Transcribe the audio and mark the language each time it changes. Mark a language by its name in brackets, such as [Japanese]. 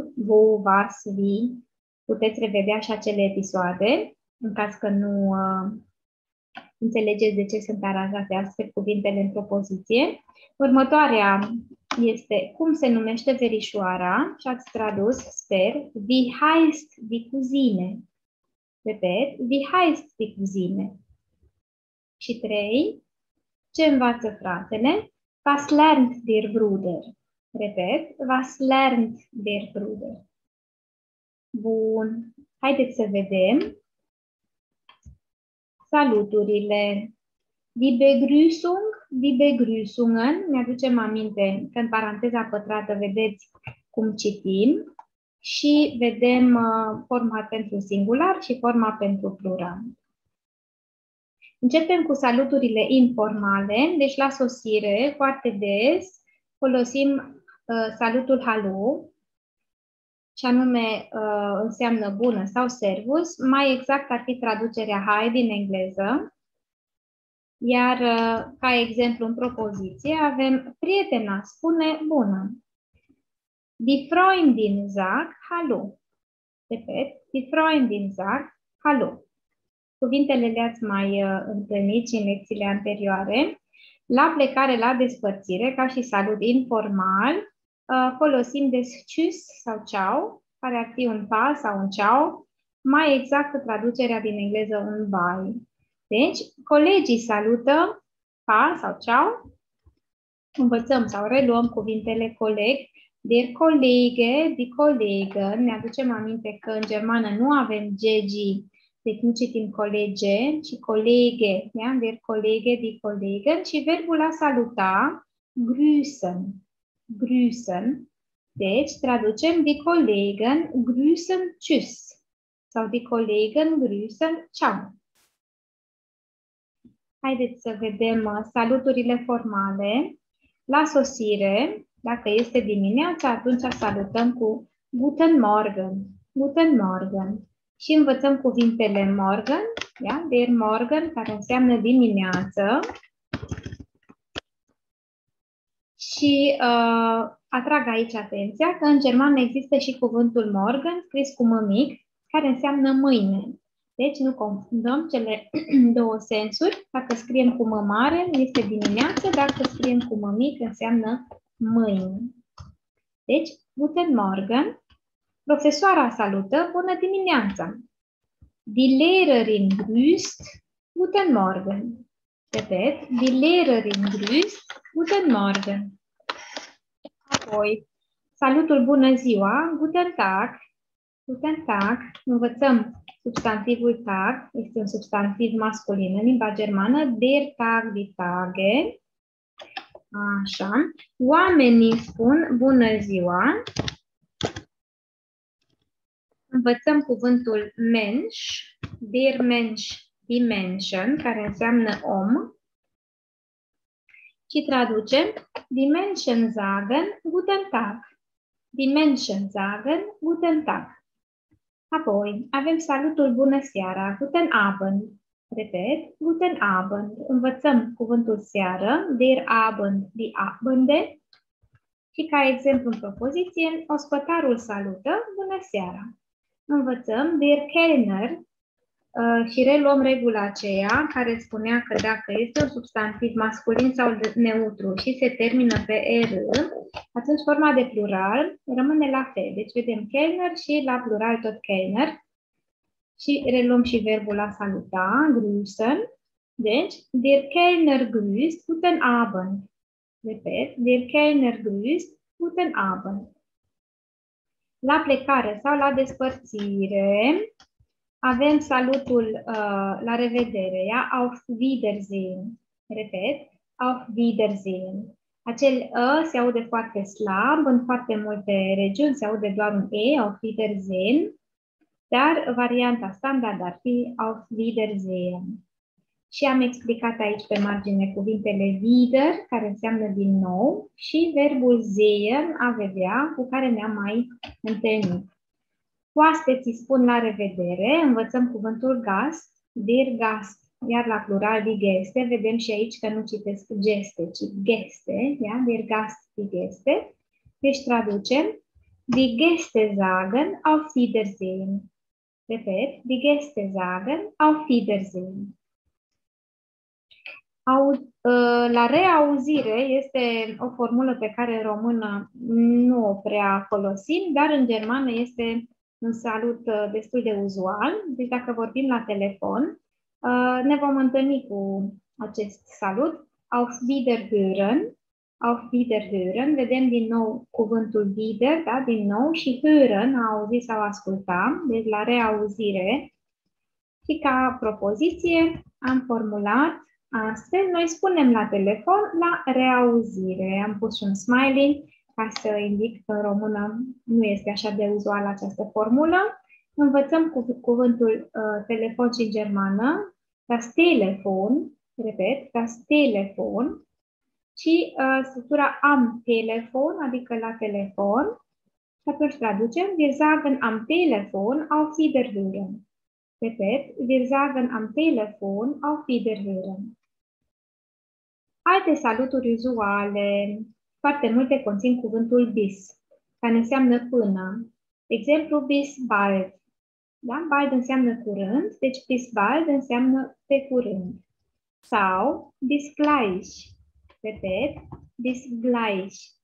[German] Wo, was, wie? [Romanian] Puteți revedea și acele episoade. În caz că nu înțelegeți de ce sunt aranjate astfel cuvintele în propoziție. Următoarea este cum se numește verișoara și ați tradus, sper, [German] wie heißt die Cousine? Repet, wie heißt die Cousine? [Romanian] Și trei, ce învață fratele? [German] Was lernt der Bruder? [Romanian] Repet, [German] was lernt der Bruder? [Romanian] Bun, haideți să vedem. Saluturile, die Begrüßung, die Begrüßungen, ne aducem aminte că în paranteza pătrată vedeți cum citim și vedem forma pentru singular și forma pentru plural. Începem cu saluturile informale, deci la sosire, foarte des, folosim salutul hallo, și anume înseamnă bună sau servus, mai exact ar fi traducerea hi din engleză. Iar ca exemplu în propoziție avem prietena spune bună. [German] Die Freundin sagt hallo. [Romanian] Repet, [German] die Freundin sagt hallo. [Romanian] Cuvintele le-ați mai întâlnit și în lecțiile anterioare. La plecare, la despărțire, ca și salut informal, folosim des tschüss sau ciao, care ar fi un pa sau un ciao, mai exact traducerea din engleză un bye. Deci, colegii salută, pa sau ciao, învățăm sau reluăm cuvintele coleg, der Kollege, die Kollege, ne aducem aminte că în germană nu avem GG, deci nu citim colege, ci colege, yeah? [German] Der Kollege, die Kollege, [Romanian] și verbul a saluta, [German] grüßen. Grüßen. [Romanian] Deci traducem [German] die Kollegen grüßen tschüss sau die Kollegen grüßen ciao. [Romanian] Haideți să vedem saluturile formale. La sosire, dacă este dimineața, atunci salutăm cu guten morgen. [German] Guten morgen. [Romanian] Și învățăm cuvintele [German] morgen, ja? [Romanian] Der morgen, care înseamnă dimineață. Și atrag aici atenția că în germană există și cuvântul morgen, scris cu mămic, care înseamnă mâine. Deci nu confundăm cele două sensuri. Dacă scriem cu mămare, este dimineață, dacă scriem cu mămic, înseamnă mâine. Deci, guten morgen. Profesoara salută, bună dimineața. [German] Die Lehrerin grüßt, guten morgen. Repet, die Lehrerin grüßt, guten morgen. [Romanian] Apoi, salutul bună ziua, guten tag, guten tag, învățăm substantivul tag, este un substantiv masculin în limba germană, der tag, die tage, așa, oamenii spun bună ziua, învățăm cuvântul mensch, der mensch, die menschen, care înseamnă om, și traducem, [German] die Menschen sagen guten Tag. Die Menschen sagen guten Tag. [Romanian] Apoi, avem salutul bună seara, guten Abend. [German] Repet, guten Abend. [Romanian] Învățăm cuvântul seară, [German] der Abend, die Abende. [Romanian] Și ca exemplu în propoziție, ospătarul salută, bună seara. Învățăm, der Kellner, și reluăm regula aceea care spunea că dacă este un substantiv masculin sau neutru și se termină pe R, atunci forma de plural rămâne la fel. Deci vedem Kellner și la plural tot Kellner. Și reluăm și verbul a saluta, grüßen. [German] Deci, der Kellner grüßt guten Abend. Repet, der Kellner grüßt guten Abend. [Romanian] La plecare sau la despărțire avem salutul la revedere, ja? [German] Auf Wiedersehen. Repet, auf Wiedersehen. [Romanian] Acel ă se aude foarte slab, în foarte multe regiuni se aude doar un e, auf Wiedersehen. Dar varianta standard ar fi auf Wiedersehen. Și am explicat aici pe margine cuvintele wieder, care înseamnă din nou, și verbul sehen, a vedea, cu care ne-am mai întâlnit. Oaste ți spun la revedere, învățăm cuvântul gast, der gast, iar la plural die geste, vedem și aici că nu citesc geste, ci geste, ja? [German] Der gast die geste. [Romanian] Deci traducem, [German] die geste sagen auf Wiedersehen. Repet, die geste sagen auf Wiedersehen. [Romanian] La reauzire este o formulă pe care în română nu o prea folosim, dar în germană este un salut destul de uzual. Deci dacă vorbim la telefon, ne vom întâlni cu acest salut. [German] Auf Wiederhören. Auf Wiederhören. [Romanian] Vedem din nou cuvântul wieder, da? Din nou, și hören, a auzi sau asculta. Deci la reauzire. Și ca propoziție am formulat astfel, noi spunem la telefon la reauzire. Am pus un smiley ca să indic că în română nu este așa de uzual această formulă. Învățăm cuvântul telefon și în germană, das Telefon, repet, das Telefon, și structura am telefon, adică la telefon, și atunci traducem, [German] wir sagen am telefon auf Wiederhören. Repet, wir sagen am telefon auf Wiederhören. [Romanian] Alte saluturi uzuale, foarte multe conțin cuvântul bis, care înseamnă până. Exemplu, bis bald. Da? Bald înseamnă curând, deci bis bald înseamnă pe curând. [German] Sau, bis gleich. Repet, bis gleich.